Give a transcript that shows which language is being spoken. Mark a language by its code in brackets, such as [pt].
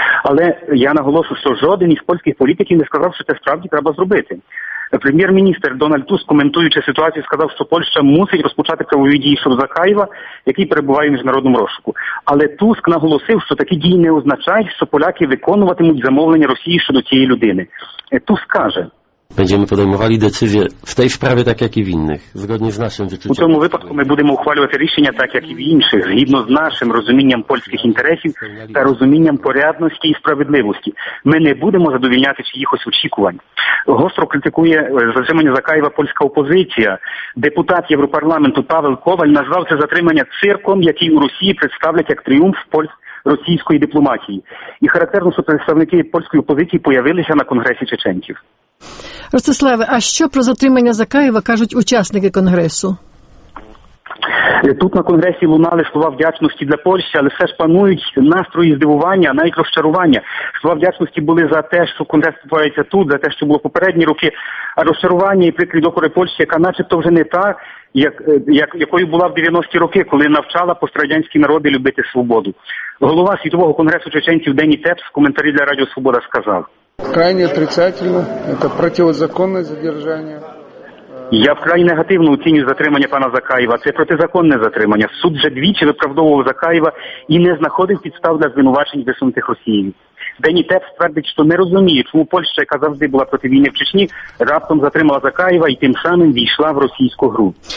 [uk] Але я наголошую, що жоден із польських політиків не сказав, що це справді треба зробити. Прем'єр-міністр Дональд Туск, коментуючи ситуацію, сказав, що Польща мусить розпочати правові дії щодо Закаєва, який перебуває в міжнародному розшуку. Але Туск наголосив, що такі дії не означають, що поляки виконуватимуть замовлення Росії щодо цієї людини. Туск каже: [pl] Będziemy podejmowali decyzje w tej sprawie tak jak i w innych, zgodnie z naszym wyczuciem. [uk] У цьому випадку ми будемо ухвалювати рішення так, як і в інших, згідно з нашим розумінням польських інтересів та розумінням порядності і справедливості. Ми не будемо задовільняти чиїхось очікувань. Гостро критикує затримання Закаєва польська опозиція. Депутат Європарламенту Павел Коваль назвав це затримання цирком, який у Росії представлять як тріумф російської дипломатії. І характерно, що представники польської опозиції появилися на конгресі чеченців. Ростиславе, а що про затримання Закаєва кажуть учасники конгресу? Тут на конгресі лунали слова вдячності для Польщі, але все ж панують настрої здивування, навіть розчарування. Слова вдячності були за те, що конгрес відбувається тут, за те, що було попередні роки, а розчарування і прикрі докори Польщі, яка начебто вже не та, якою була в 90-ті роки, коли навчала пострадянські народи любити свободу. Голова Світового конгресу чеченців Дені Тепс в коментарі для Радіо Свобода сказав: [ru] Крайне отрицательно, это противозаконное задержание. [uk] Я вкрай негативно оціню затримання пана Закаєва. Це протизаконне затримання. Суд вже двічі виправдовував Закаєва і не знаходив підстав для звинувачень висунутих Росією. Дені Тепс твердить, що не розуміє, чому Польща, яка завжди була проти війни в Чечні, раптом затримала Закаєва і тим самим війшла в російську гру.